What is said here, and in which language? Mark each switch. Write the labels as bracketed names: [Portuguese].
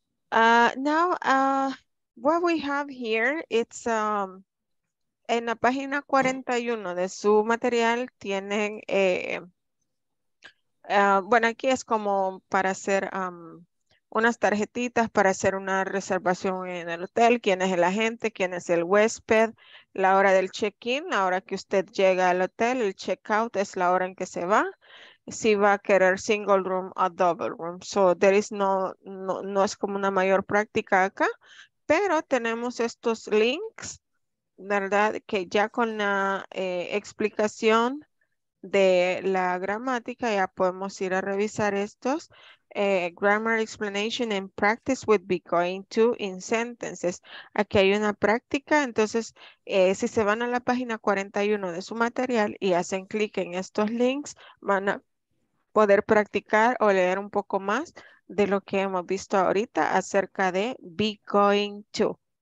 [English] Now, what we have here, it's [Spanish] en la página 41 de su material tienen, bueno, aquí es como para hacer unas tarjetitas para hacer una reservación en el hotel, quién es el agente, quién es el huésped, la hora del check-in, la hora que usted llega al hotel, el check-out es la hora en que se va, si va a querer single room o double room. [English] So there is no [Spanish] es como una mayor práctica acá, pero tenemos estos links, ¿verdad? Que ya con la explicación de la gramática ya podemos ir a revisar estos. [English] grammar explanation and practice with be going to in sentences. [Spanish] Aquí hay una práctica, entonces si se van a la página 41 de su material y hacen clic en estos links, van a poder practicar o leer un poco más de lo que hemos visto ahorita acerca de be going to.